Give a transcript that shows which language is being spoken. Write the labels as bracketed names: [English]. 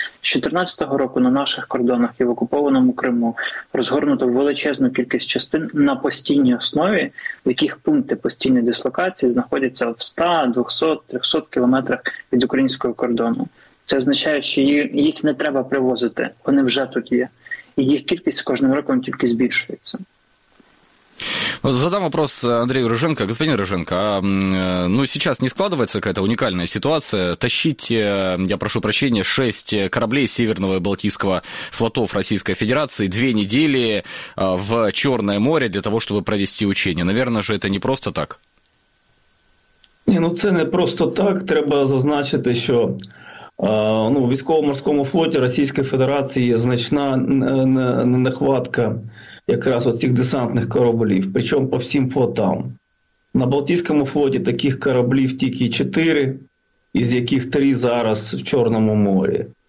[Ukrainian] 2014 року на наших кордонах і в окупованому Криму розгорнуто величезну кількість частин на постійній основі, в яких пункти постійної дислокації знаходяться в 100, 200, 300 кілометрах від українського кордону. Це означає, що їх не треба привозити, вони вже тут є. І їх кількість з кожним роком тільки збільшується. [Russian] Задам вопрос Андрею Рыженко. Господин Рыженко, сейчас не складывается какая-то уникальная ситуация? Тащить, я прошу прощения, 6 кораблей Северного и Балтийского флотов Российской Федерации 2 недели в Черное море для того, чтобы провести учения. Наверное же, это не просто так? [Ukrainian] Це не просто так. Треба зазначити, що в військово-морському флоті Російської Федерації є значна нехватка якраз оцих десантних кораблів, причому по всім флотам. На Балтійському флоті таких кораблів тільки 4, із яких 3 зараз в Чорному морі.